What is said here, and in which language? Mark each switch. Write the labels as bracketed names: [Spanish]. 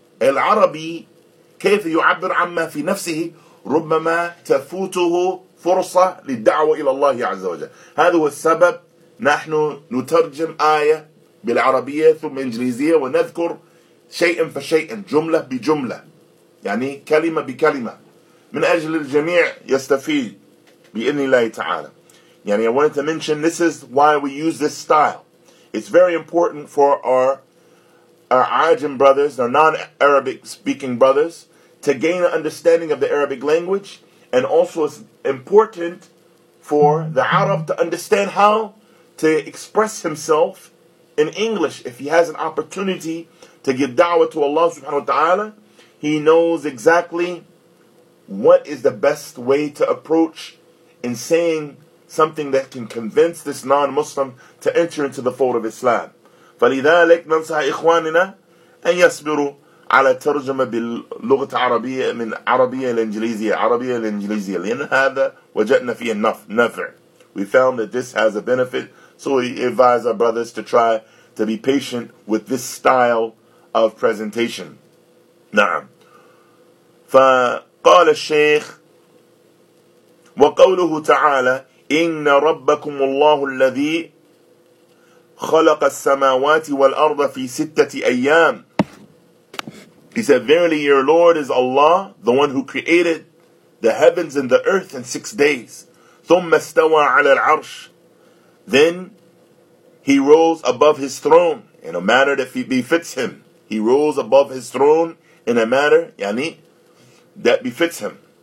[Arabic] العربي كيف يعبر عما في نفسه ربما تفوته فرصة للدعوة إلى الله عز وجل. هذا هو السبب نحن نترجم آية بالعربية ثم إنجليزية ونذكر شيئا فشيئا جملة بجملة يعني كلمة بكلمة من أجل الجميع يستفيد بإذن الله تعالى. يعني [English] I wanted to mention this is why we use this style. It's very important for our Arabic brothers, our non-Arabic speaking brothers to gain an understanding of the Arabic language, and also it's important for the Arab to understand how to express himself in English. If he has an opportunity to give da'wah to Allah subhanahu wa ta'ala, he knows exactly what is the best way to approach in saying something that can convince this non-Muslim to enter into the fold of Islam. [Arabic] فَلِذَٰلِكْ نَنْصَحَ إِخْوَانِنَا أَنْ يَصْبِرُوا على ترجمة باللغة العربية من عربية الإنجليزية عربية الإنجليزية لأن هذا وجدنا فيه نفع. [English] We found that this has a benefit, so we advise our brothers to try to be patient with this style of presentation. [Arabic] نعم. فقال الشيخ وقوله تعالى إن ربكم الله الذي خلق السماوات والأرض في ستة أيام. [English] He said, verily your Lord is Allah, the one who created the heavens and the earth in 6 days. [Arabic] ثُمَّ اسْتَوَى عَلَى الْعَرْشِ. [English] Then he rose above his throne in a manner that befits him. He rose above his throne in a manner, [Arabic] يعني, [English] that befits him.